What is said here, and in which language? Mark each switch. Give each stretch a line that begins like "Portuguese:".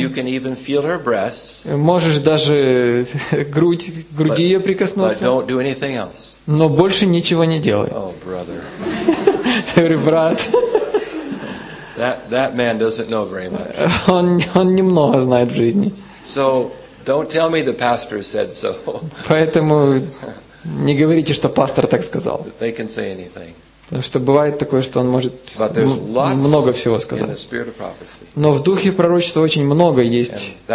English: You can even feel her breasts.
Russian: Можешь даже груди ее прикоснуться.
English: But don't do anything else.
Russian: Но больше ничего не делай.
English: Oh, brother.
Russian: Я говорю, брат.
English: That man doesn't know very much.
Russian: Он немного знает в жизни.
English: So don't tell me the pastor said so.
Russian: Поэтому не говорите, что пастор так сказал.
English: They can say anything.
Russian: Потому что бывает такое, что он может много всего сказать. Но в духе пророчества очень много есть.